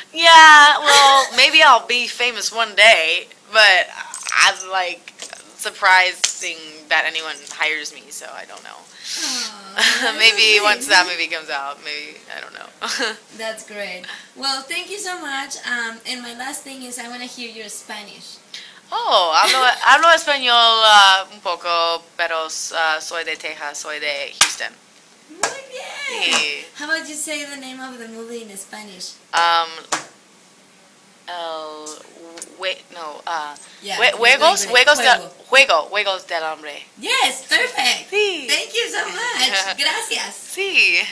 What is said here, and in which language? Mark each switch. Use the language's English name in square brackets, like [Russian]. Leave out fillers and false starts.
[English] Yeah, well, maybe I'll be famous one day, but I'm like surprising that anyone hires me, so I don't know. Maybe once that movie comes out, maybe, I don't know. That's great. Well, thank you so much. And my last thing is I want to hear your Spanish. [Spanish] Oh, hablo español un poco, pero soy de Texas, soy de Houston. [English] How about you say the name of the movie in Spanish? [Spanish] Juegos del Hambre. [English] Yes, perfect. [Spanish] Sí. [English] Thank you so much. Gracias. [Spanish] Sí.